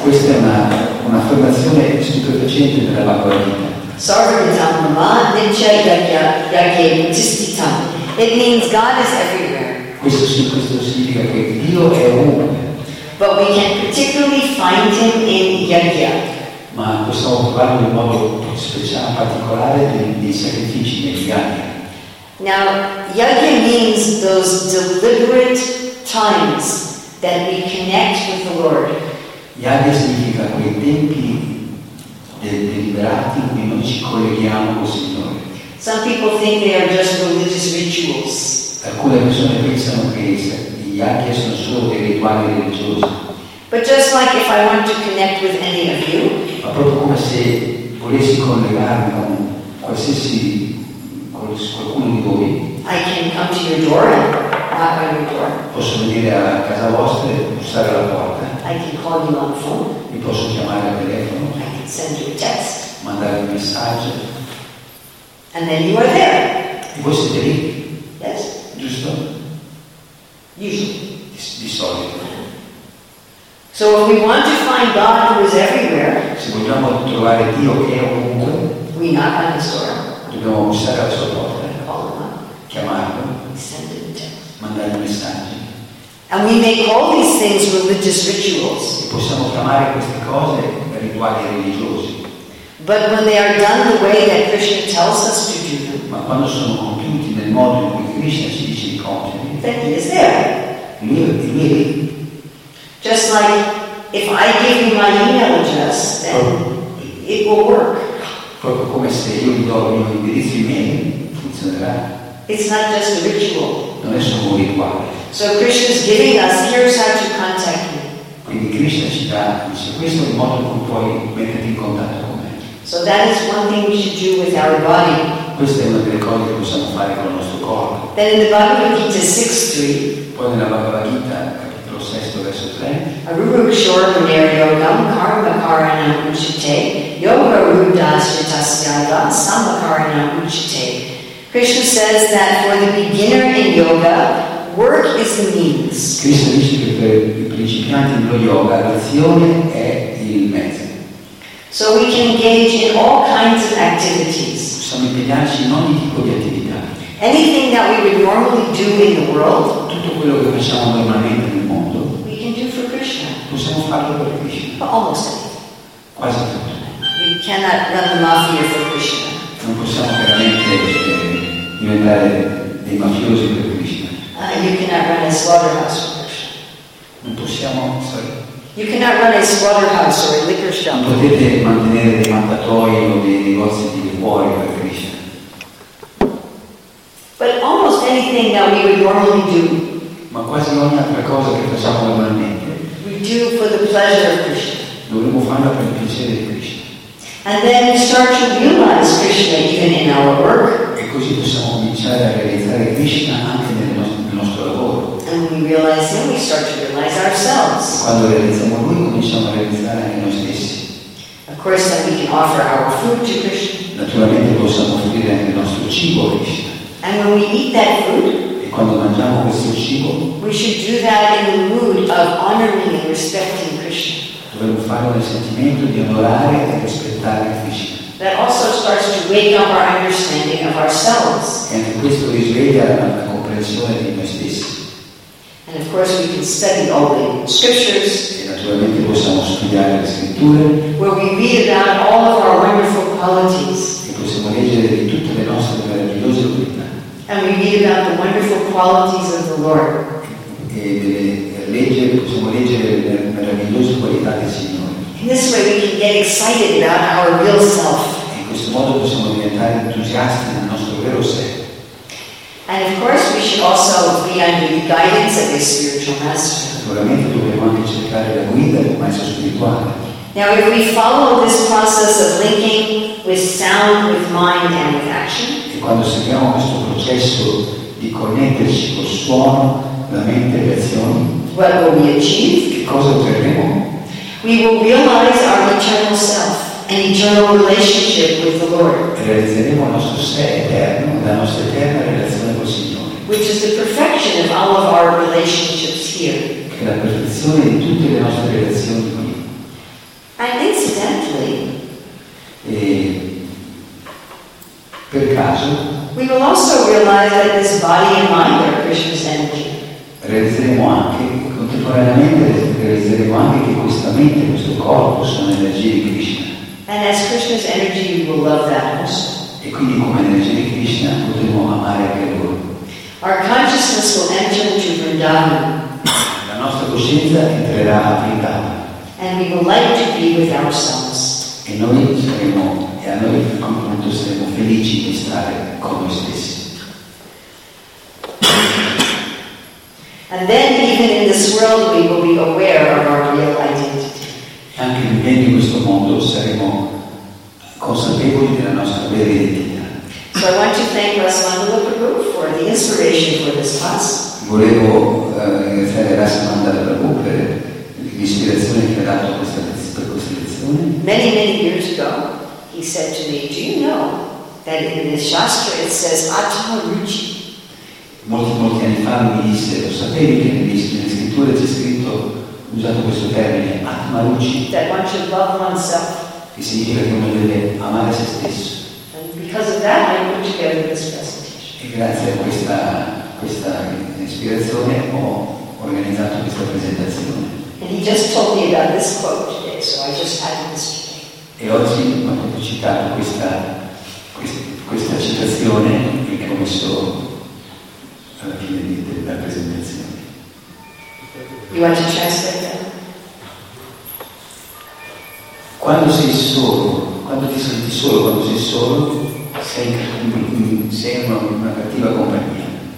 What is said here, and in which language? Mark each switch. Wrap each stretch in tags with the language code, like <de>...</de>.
<it>Questa è un'affermazione stupefacente della Bhagavad Gita.</it> <sa>Sarvam Mahadevcha Yajna Yajna Tistitam.</sa> <en>It means God is everywhere.</en> <it>Questo significa che Dio è uno.</it> <en>But we can particularly find him in Yahya.</en> <it>Ma possiamo trovarlo in modo speciale, particolare, dei sacrifici negli anni.</it> <en>Now, Yahya means those deliberate times that we connect with the Lord.</en> <it>Yahya significa quei tempi deliberati in cui noi ci colleghiamo con il Signore.</it> <en>Some people think they are just religious rituals.</en> <it>Alcune persone pensano che gli Yahya sono solo dei rituali religiosi.</it> <en>But just like if I want to connect with any of you.</en> <it>Ma proprio come se volessi collegarmi con qualsiasi qualcuno di voi.</it> <en>I can come to your door and knock on your door.</en> <it>Posso venire a casa vostra e bussare alla porta.</it> <en>I can call you on the phone.</en> <it>Mi posso chiamare al telefono.</it> <en>I can send you a text.</en> <it>Mandare un messaggio.</it> <en>And then you are there.</en> <it>E voi siete lì.</it> <en>Yes.</en> <it>Giusto?</it> <en>Usually.</en> <it>Di solito.</it> <en>So if we want to find God who is everywhere,</en> <it>se vogliamo trovare Dio che è ovunque,</it> <en>we knock on his door.</en> <it>Dobbiamo bussare alla sua porta.</it> <en>And call him.</en> <it>Chiamarlo.</it> <en>Send him a text.</en> <it>Mandare messaggi.</it> <en>And we may call these things religious rituals.</en> <it>E possiamo chiamare queste cose rituali religiosi.</it> <en>But when they are done the way that Krishna tells us to do them,</en> <it>ma quando sono compiuti nel modo in cui Krishna ci dice di compiere,</it> <en>then he is there.</en> <it>Lì.</it> <en>Just like if I give you my email address, then it will work.</en> <it>Proprio come se io gli do il mio indirizzo email, funzionerà.</it> <en>It's not just a ritual.</en> <it>Non è solo un rituale.</it> <en>So Krishna is giving us, here's how to contact me.</en> <it>Quindi Krishna ci dà, dice, questo è il modo con cui metterti in contatto con me.</it> <en>So that is one thing we should do with our body.</en> <it>Questa è una delle cose che possiamo fare con il nostro corpo.</it> <en>Then in the Bhagavad Gita 6.3,</en> <it>poi nella Bhagavad Gita, capitolo 6, verso 3,</it> <sa>Arurukshor Vanaryo Yam Karma Karana Uchite Yoga Rudas Yatasyaya Sama Karana Uchite.</sa> <en>Krishna says that for the beginner in yoga, work is the means.</en> <it>Krishna dice che per i principianti nello yoga l'azione è il mezzo.</it> <en>So we can engage in all kinds of activities.</en> <it>Possiamo impegnarci in ogni tipo di attività.</it> <en>Anything that we would normally do in the world,</en> <it>tutto quello che facciamo normalmente nel mondo,</it> <en>we can do for Krishna.</en> <it>Possiamo farlo per Krishna.</it> <en>But almost anything.</en> <it>Quasi tutto.</it> <en>We cannot run the mafia for Krishna.</en> <it>Non possiamo veramente diventare dei mafiosi per Krishna.</it> <en>You cannot run a slaughterhouse for Krishna.</en> <it>Non possiamo, sorry.</it> <en>You cannot run a slaughterhouse or a liquor shop.</en> <it>Non potete mantenere dei mattatoi o dei negozi di liquori per Krishna.</it> <en>But almost anything that we would normally do.</en> <it>Ma quasi ogni altra cosa che facciamo normalmente.</it> <en>We do for the pleasure of Krishna.</en> <it>Dovremmo farla per il piacere di Krishna.</it> <en>And then we start to realize Krishna even in our work.</en> <it>E così possiamo cominciare a realizzare Krishna anche nel nostro lavoro.</it> <en>And when we realize him, we start to realize ourselves.</en> <it>Quando realizziamo lui, cominciamo a realizzare anche noi stessi.</it> <en>Of course that we can offer our food to Krishna.</en> <it>Naturalmente possiamo offrire anche il nostro cibo a Krishna.</it> <en>And when we eat that food,</en> <it>e quando mangiamo questo cibo,</it> <en>we should do that in the mood of honoring and respecting Krishna.</en> <it>Dovremmo fare un sentimento di onorare e rispettare Krishna.</it> <en>That also starts to wake up our understanding of ourselves.</en> <it>E anche questo risveglia la comprensione di noi stessi.</it> <en>And of course we can study all the scriptures.</en> <it>E naturalmente possiamo studiare le scritture.</it> <en>Where we read about all of our wonderful qualities.</en> <it>E possiamo leggere di tutte le nostre meravigliose qualità.</it> <en>And we read about the wonderful qualities of the Lord.</en> <it>Possiamo leggere le meravigliose qualità del Signore.</it> <en>In this way we can get excited about our real self.</en> <it>In questo modo possiamo diventare entusiasti del nostro vero sé.</it> <en>And of course we should also be under the guidance of a spiritual master.</en> <it>Naturalmente dobbiamo anche cercare la guida del maestro spirituale.</it> <en>Now if we follow this process of linking with sound, with mind and with action.</en> <it>E quando seguiamo questo processo di connetterci col suono, la mente e le azioni,</it> <en>what will we achieve?</en> <it>Che cosa otterremo?</it> <en>We will realize our eternal self, an eternal relationship with the Lord.</en> <it>Realizzeremo il nostro sé eterno, la nostra eterna relazione con il Signore.</it> <en>Which is the perfection of all of our relationships here.</en> <it>Che è la perfezione di tutte le nostre relazioni qui.</it> <en>And incidentally,</en> <it>e per caso,</it> <en>we will also realize that this body and mind are Krishna's energy.</en> <it>realizzeremo anche contemporaneamente, realizzeremo anche che questa mente, questo corpo sono energie di Krishna.</it> <en>And as Krishna's energy, we will love that also.</en> <it>E quindi come energia di Krishna potremo amare anche loro.</it> <en>Our consciousness will enter into Vrindavan.</en> <it>La nostra coscienza entrerà a Vrindavan.</it> <en>And we will like to be with ourselves.</en> <it>E noi saremo, e a noi appunto saremo felici di stare con noi stessi.</it> <en>And then even in this world we will be aware of our real identity.</en> <it>Anche in questo mondo saremo consapevoli della nostra vera identità.</it> <en>So I want to thank Rasmananda Prabhu for the inspiration for this class.</en> <it>Volevo ringraziare Rasmananda Prabhu per l'ispirazione che ha dato questa lezione.</it> <en>Many, many years ago he said to me, do you know that in the Shastra it says Atma Ruchi?</en> <it>Molti anni fa mi disse, lo sapevi che nelle scritture c'è scritto, usato questo termine, Atma Ruchi,</it> <en>that one should love oneself.</en> <it>Che significa che uno deve amare se stesso.</it> <en>And because of that, I put together this presentation.</en> <it>E grazie a questa ispirazione ho organizzato questa presentazione.</it> <en>And he just told me about this quote today, so I just had it this</en> <it>today. E oggi mi ha citato questa citazione e che ho messo alla fine della presentazione.</it> <en>You want to translate it?</en> <it>Quando sei solo, quando ti senti solo, quando sei solo, sei una cattiva compagnia.</it>